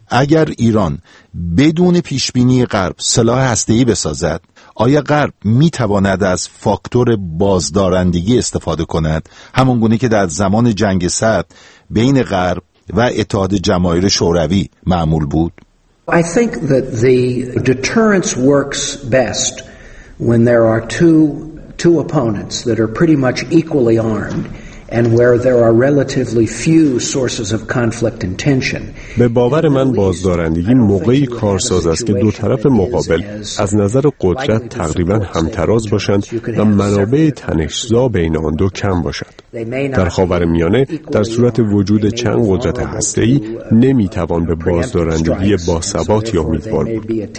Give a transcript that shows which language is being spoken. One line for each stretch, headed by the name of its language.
Persian: اگر ایران بدون پیشبینی غرب سلاح هسته‌ای بسازد، آیا غرب می‌تواند از فاکتور بازدارندگی استفاده کند، همون گونه که در زمان جنگ سرد بین غرب و اتحاد جماهیر شوروی معمول بود؟
English: I think that the deterrence works best when there are two opponents that are pretty much equally armed and where there are relatively few sources of conflict and tension.
Persian: به باور من بازدارندگی موقعی کارساز است که دو طرف مقابل از نظر قدرت تقریبا همتراز باشند و منابع تنش‌زا بین آن دو کم باشد. در خاورمیانه در صورت وجود چند قدرت هسته‌ای نمی‌توان به بازدارندگی باثبات یا امیدوار بود.